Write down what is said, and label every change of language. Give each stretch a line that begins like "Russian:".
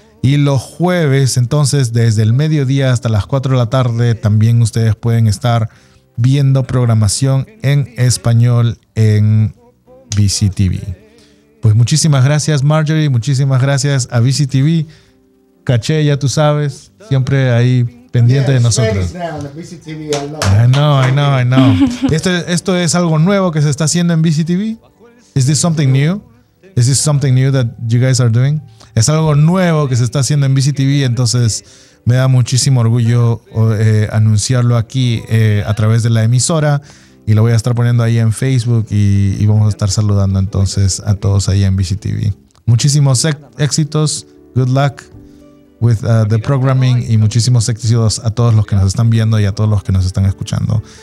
Spanish: Y los jueves, entonces, desde el mediodía hasta las 4 de la tarde, también ustedes pueden estar viendo programación en español en BCTV. Pues muchísimas gracias, Marjorie. Muchísimas gracias a BCTV. Caché, ya tú sabes, siempre ahí pendiente de nosotros.
English: I know.
Spanish: Esto es algo nuevo que se está haciendo en BCTV.
English: Is this something new that you guys are doing?
Spanish: Es algo nuevo que se está haciendo en BCTV, entonces me da muchísimo orgullo anunciarlo aquí a través de la emisora y lo voy a estar poniendo ahí en Facebook y vamos a estar saludando entonces a todos ahí en BCTV. Muchísimos éxitos,
English: good luck with the programming
Spanish: y muchísimos éxitos a todos los que nos están viendo y a todos los que nos están escuchando.